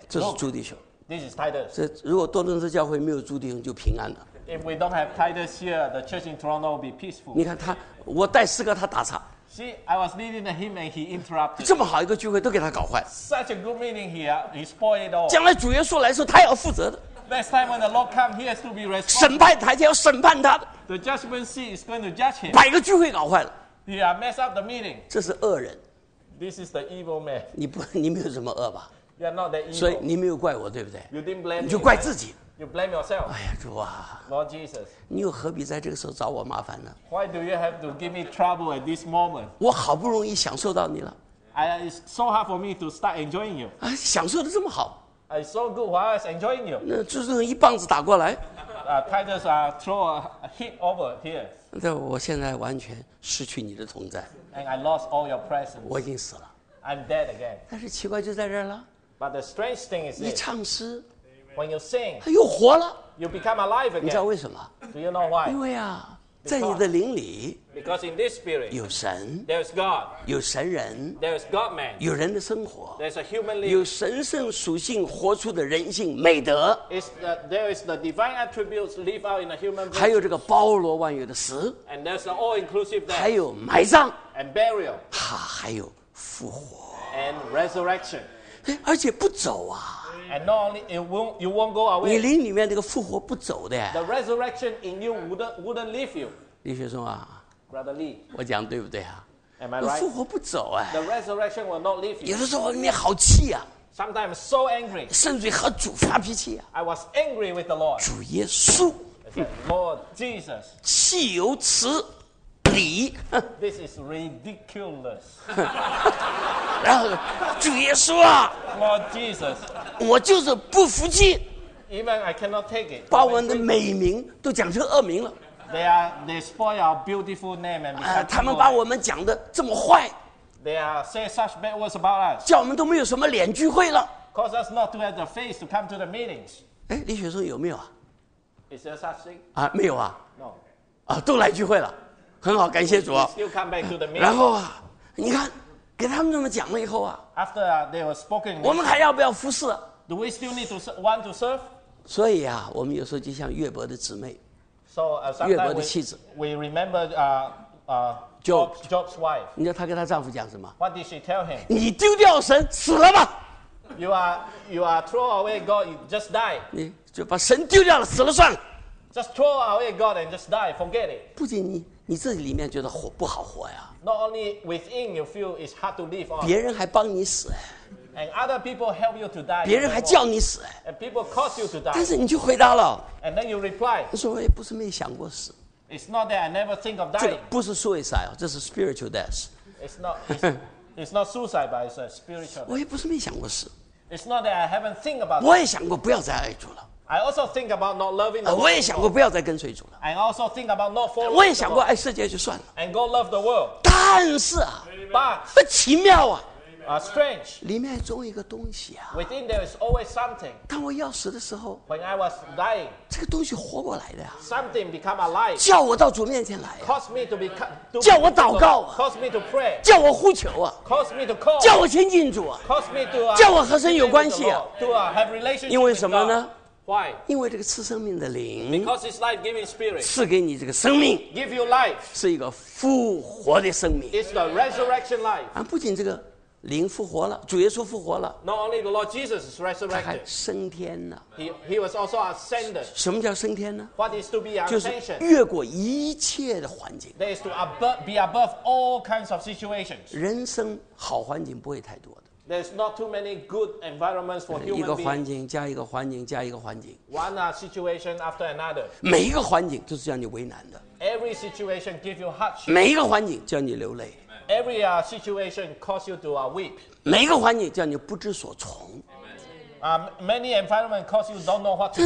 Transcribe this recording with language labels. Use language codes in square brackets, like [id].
[zh] 这是朱弟兄。 [en] This is Titus。 [zh] 这如果多伦多教会没有朱弟兄，就平安了。 [en] If we don't have Titus here, the church in Toronto will be peaceful。 [zh] 你看他，我带诗歌，他打岔。 [en] See, I was leading him and he interrupted. [zh] 这么好一个聚会都给他搞坏。 [en] Such a good meeting here, he spoiled it all. [zh] 将来主耶稣来的时候，他要负责的。 [en] Next time when the Lord comes, he has to be responsible. [zh] 审判台前要审判他的。 [en] The judgment seat is going to judge him. [zh] 把一个聚会搞坏了。 [en] Yeah, mess up the meeting. [zh] 这是恶人。 [en] This is the evil man. [zh] 你没有这么恶吧 [en] ？You're not that evil. [zh] 所以你没有怪我，对不对 [en] ？You didn't blame me. [zh] 你就怪自己。 [en] You blame yourself. [zh] 哎呀，主啊 [en] ！Lord Jesus， [zh] 你又何必在这个时候找我麻烦呢 [en] ？Why do you have to give me trouble at this moment？ [zh] 我好不容易享受到你了。 [en] It's so hard for me to start enjoying you. [zh] 啊，享受的这么好。 [en] It's so good while I was enjoying you. [zh] 那朱正一棒子打过来。 [en] Titus throw a hit over here. [zh] 那我现在完全失去你的同在。 [en] And I lost all your presence. [zh] 我已经死了。 [en] I'm dead again. [zh] 但是奇怪就在这儿了。 [en] But the strange thing is this. [zh] 一唱诗。 [en] When you sing, [zh] 他又活了。 [en] You become alive again. [zh] 你知道为什么 [en] ？Do you know why? [zh] 因为啊，在你的灵里 [en] because in this spirit, [zh] 有神 [en] there is God, [zh] 有神人 [en] there is God man, [zh] 有人的生活 [en] there is a human living, [zh] 有神圣属性活出的人性美德 [en] the, there is the divine attributes live out in a human being, [zh] 还有这个包罗万有的死 [en] and there is an all-inclusive death, [zh] 还有埋葬 [en] and burial, [zh] 还有复活 [en] and resurrection, [zh] 而且不走啊 [en] And not only it won't, you won't go away. [zh] 你灵里面那个复活不走的。 [en] The resurrection in you wouldn't leave you. [zh] 李学松啊 [en] ，Brother Lee， [zh] 我讲对不对啊 [en] ？Am I right？ [zh] 复活不走啊。 [en] The resurrection will not leave you. [zh] 有的时候里面好气啊。 [en] Sometimes so angry. [zh] 甚至和主发脾气啊。 [en] I was angry with the Lord. [zh] 主耶稣。 [en] Lord Jesus. [zh] 岂有此理 [en] ？This is ridiculous. [zh] 然后主耶稣啊 [en] ，Lord Jesus， [zh] 我就是不服气 [en] ，Even I cannot take it， [zh] 把我们的美名都讲成恶名了 [en] ，They spoil our beautiful name and [zh] 他们把我们讲的这么坏 [en] ，They say such bad words about us， [zh] 叫我们都没有什么脸聚会了 [en] ，Cause us not to have the face to come to the meetings。 [zh] 哎，李学松有没有啊 [en] ？Is there such thing？ [zh] 啊，没有啊 [en] ，No， [zh] 啊，都来聚会了，很好，感谢主。 [en] Still come back to the meeting。 [zh] 然后啊，你看。给他们这么讲了以后啊 [en] After they were spoken, [zh] 我们还要不要服侍 [en] Do we still need to want to serve? [zh] 所以啊我们有时候就像约伯的姊妹 [en] so, sometimes [zh] 约伯的妻子 [en] we remember, Job's wife. [zh] 你知道她跟她丈夫讲什么 [en] What did she tell him? [zh] 你丢掉神死了吧 [en] you are throw away God, you just die. [zh] 你就把神丢掉了死了算了 [en] Just throw away God and just die, forget it. [zh] 不仅你自己里面觉得活不好活呀 [en] Not only within you feel it's hard to live on [zh] 别人还帮你死 [en] And other people help you to die [zh] 别人还叫你死 [en] And people cause you to die [zh] 但是你就回答了 [en] And then you reply [zh] 说我也不是没想过死 [en] It's not that I never think of dying [zh] 这个不是 suicide 这是 [en] spiritual death It's not suicide but it's a spiritual death [zh] 我也不是没想过死 [en] It's not that I haven't think about [zh] 我也想过不要再爱主了 [en] I also think about not loving the world. [zh] 我也想过不要再跟随主了。 [en] I also think about not following. [zh] 我也想过爱世界就算了。 [en] And go love the world. [zh] 但是啊 [en] ，but [zh] 奇妙啊 [en] ，strange. [zh] 里面总有一个东西啊。 [en] Within there is always something. [zh] 当我要死的时候 [en] ，when I was dying, [zh] 这个东西活过来的呀、啊。 [en] Something become alive. [zh] 叫我到主面前来、啊。 [en] Cause me to become. [zh] 叫我祷告啊。 [en] Cause me to pray. [zh] 叫我呼求啊。 [en] Cause me to call. [zh] 叫我亲近主啊。 [en] Cause me to. [zh] 叫我和神有关系啊。 [en] To have relationship. [zh] 因为什么呢？ [en] Why? [zh] 因为这个赐生命的灵 [en] Because it's life-giving spirit. [zh] 赐给你这个生命 [en] Give you life. [zh] 是一个复活的生命 [en] It's the resurrection life. [zh] 啊，不仅这个灵复活了，主耶稣复活了 [en] Not only the Lord Jesus is resurrected. [zh] 他还升天了 [en] He was also ascended. [zh] 什么叫升天呢 [en] What is to be ascension? [zh] 就是越过一切的环境 [en] That is to be above all kinds of situations. [zh] 人生好环境不会太多的 [en] There's not too many good environments for human beings. [zh] 一个环境加一个环境加一个环境 [en] One situation after another. [zh] 每一个环境都是叫你为难的 [en] Every situation gives you hardship. [zh] 每一个环境叫你流泪 [en] Every situation causes you to weep. [zh] 每一个环境叫你不知所从 [en] Many environments cause you don't know what to do.